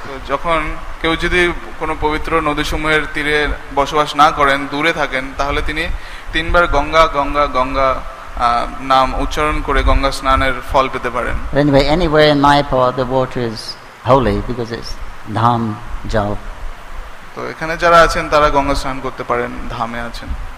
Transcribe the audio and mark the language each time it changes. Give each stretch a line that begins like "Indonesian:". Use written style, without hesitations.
Bangla: যখন কেউ যদি কোনো পবিত্র নদীসমূহের তীরে বসবাস না করেন, দূরে থাকেন, তাহলে তিনি তিনবার গঙ্গা গঙ্গা গঙ্গা নাম উচ্চারণ করে গঙ্গা স্নানের ফল পেতে পারেন.
English: Anyway, anywhere in Mayapur, the water is holy because it's dham jal.
Bangla: তো এখানে যারা আছেন তারা গঙ্গা স্নান করতে পারেন, ধামে আছেন.